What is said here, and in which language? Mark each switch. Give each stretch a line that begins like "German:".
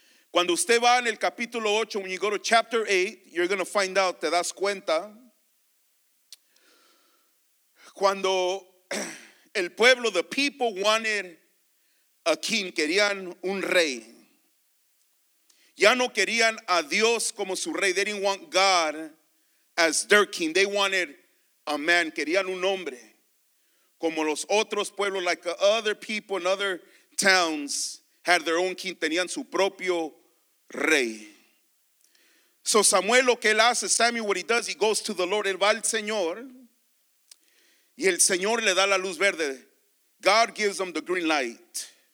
Spanish: Cuando usted va en el capítulo 8,
English: when you go to chapter 8, you're going to find out,
Spanish: te das cuenta, cuando el pueblo,
English: the people wanted a king,
Spanish: querían un rey. Ya no querían a Dios como su rey.
English: They didn't want God as their king. They wanted a man.
Spanish: Querían un hombre como los otros pueblos,
English: like other people in other towns had their own king,
Spanish: tenían su propio rey.
English: So Samuel,
Spanish: lo que él hace, Samuel,
English: what he does, he goes to the Lord.
Spanish: Él va al Señor y el Señor le da la luz verde.
English: God gives them the green light.